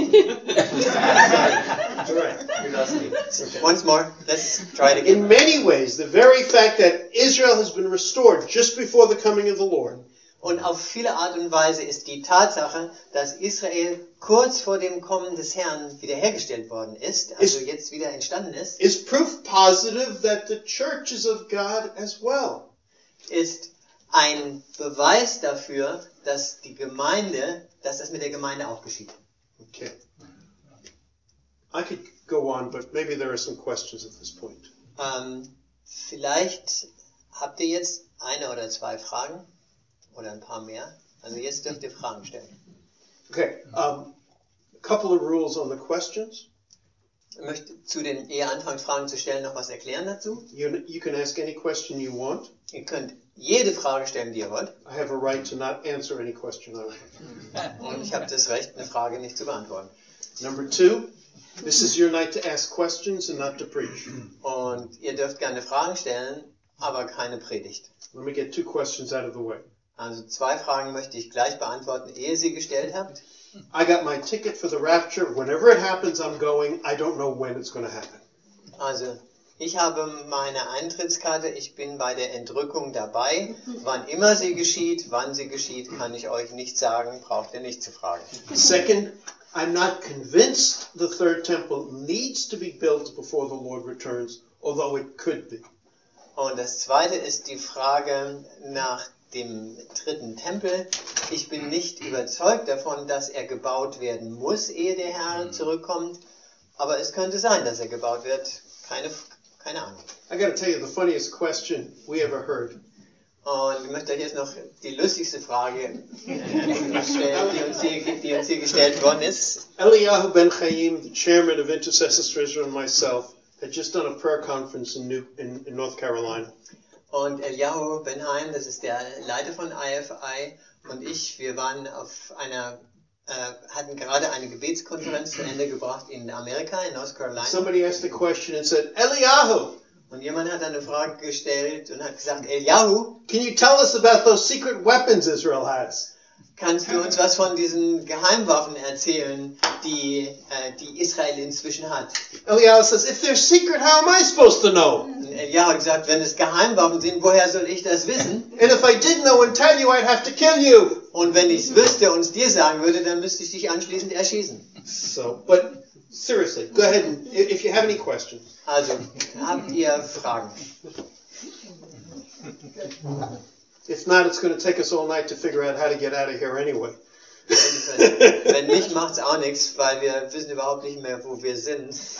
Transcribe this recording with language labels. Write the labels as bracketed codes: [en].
[en] Sorry. You're okay. Once more, let's try it again. In many ways the very fact that Israel has been restored just before the coming of the Lord. [de] Und auf viele Art und Weise ist die Tatsache, dass Israel kurz vor dem Kommen des Herrn wiederhergestellt worden ist, also jetzt wieder entstanden ist, [en] is proof positive that the church is of God as well. [de] Ist ein Beweis dafür, dass die Gemeinde, dass das mit der Gemeinde auch geschieht. [en] Okay. I could go on, but maybe there are some questions at this point. [de] Vielleicht habt ihr jetzt eine oder zwei Fragen. Oder ein paar mehr. Also jetzt dürft ihr Fragen stellen. [en] Okay, a couple of rules on the questions. [de] Ich möchte zu den eher anfangen, Fragen zu stellen, noch was erklären dazu. [en] You can ask any question you want. [de] Ihr könnt jede Frage stellen, die ihr wollt. [en] I have a right to not answer any question I want. [de] Und ich habe das Recht, eine Frage nicht zu beantworten. [en] Number two, this is your night to ask questions and not to preach. [de] Und ihr dürft gerne Fragen stellen, aber keine Predigt. [en] Let me get two questions out of the way. [de] Also zwei Fragen möchte ich gleich beantworten, ehe sie gestellt habt. [en] I got my ticket for the rapture. Whenever it happens, I'm going. I don't know when it's going to happen. [de] Also, ich habe meine Eintrittskarte. Ich bin bei der Entrückung dabei. Wann immer sie geschieht, wann sie geschieht, kann ich euch nicht sagen. Braucht ihr nicht zu fragen. [en] Second, I'm not convinced the third temple needs to be built before the Lord returns, although it could be. [de] Und das zweite ist die Frage nach dem dritten Tempel. Ich bin nicht überzeugt davon, dass er gebaut werden muss, ehe der Herr zurückkommt. Aber es könnte sein, dass er gebaut wird. Keine Ahnung. [en] I gotta tell you the funniest question we ever heard. [de] Und ich möchte euch jetzt noch die lustigste Frage stellen, die uns hier gestellt worden ist. [en] Eliyahu Ben-Chaim, the chairman of Intercessors for Israel and myself, had just done a prayer conference in North Carolina. [de] Und Eliyahu Benheim, das ist der Leiter von IFI, und ich, wir waren auf einer, hatten gerade eine Gebetskonferenz zu Ende gebracht in Amerika, in North Carolina. [en] Somebody asked a question and said, Eliyahu! [de] Und jemand hat eine Frage gestellt und hat gesagt, Eliyahu, [en] can you tell us about those secret weapons Israel has? [de] Kannst du uns was von diesen Geheimwaffen erzählen, die die Israel inzwischen hat? [en] Eliyahu says, if they're secret, how am I supposed to know? [de] Und Eliyahu hat gesagt, wenn es Geheimwaffen sind, woher soll ich das wissen? [en] And if I didn't know and tell you, I'd have to kill you. [de] Und wenn ich es wüsste und es dir sagen würde, dann müsste ich dich anschließend erschießen. [en] So, but seriously, go ahead and if you have any questions. [de] Also, habt ihr Fragen? [en] If not, it's going to take us all night to figure out how to get out of here anyway. [de] Wenn nicht, macht's auch nichts, weil wir wissen überhaupt nicht mehr, wo wir sind.